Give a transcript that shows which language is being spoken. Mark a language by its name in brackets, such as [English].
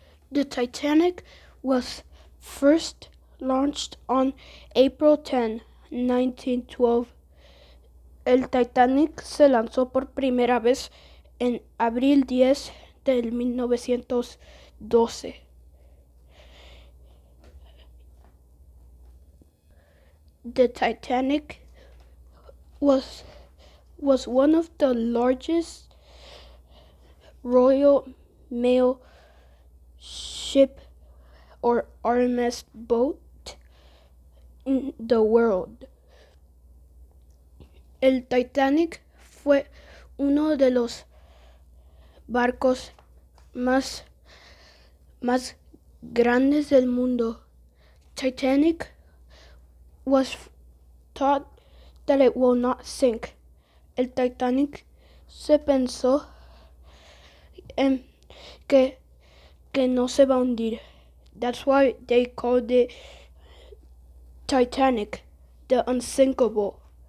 [English] The Titanic was first launched on April 10, 1912. [Spanish] El Titanic se lanzó por primera vez en abril 10 del 1912. [English] The Titanic was one of the largest Royal Mail ship or R.M.S. boat in the world. [Spanish] El Titanic fue uno de los barcos más grandes del mundo. [English] Titanic was thought that it will not sink. [Spanish] El Titanic se pensó en que no se va a hundir. [English] That's why they called it Titanic, the unsinkable.